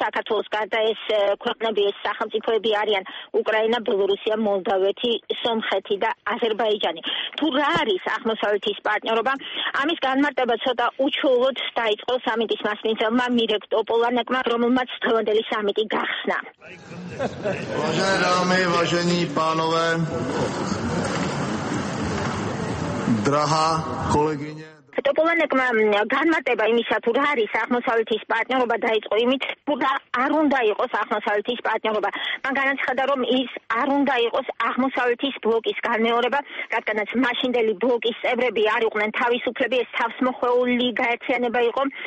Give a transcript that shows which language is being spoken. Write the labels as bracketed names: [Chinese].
[Georgian] საქართველოს გარდა ეს ქვეყნები, ეს სახელმწიფოები არიან უკრაინა, ბელორუსია, მოლდავეთი, სომხეთი და აზერბაიჯანი. თუ რა არის აღმოსავლეთის პარტნიორობა, ამის განმარტება ცოტა უჩვეულოდ დაიწყოს სამიტის მასპინძელმა მირეკ ტოპოლანაკმა, რომელმაც დღევანდელი სამიტი გახსნა. [Russian] Уважаемые, уважаемые панове, дорогая коллегиня. [Georgian] ტოპოლანაკმა განმარტება იმისა, თუ რა არის აღმოსავლეთის პარტნიორობა დაიწყო იმით, თუ რა არ უნდა იყოს აღმოსავლეთის პარტნიორობა. მან განაცხადა, რომ ის არ უნდა იყოს აღმოსავლეთის ბლოკის განმეორება, რადგანაც მაშინდელი ბლოკის წევრები არ იყვნენ თავისუფლები, ეს თავსმოხვეული გაერთიანება იყო.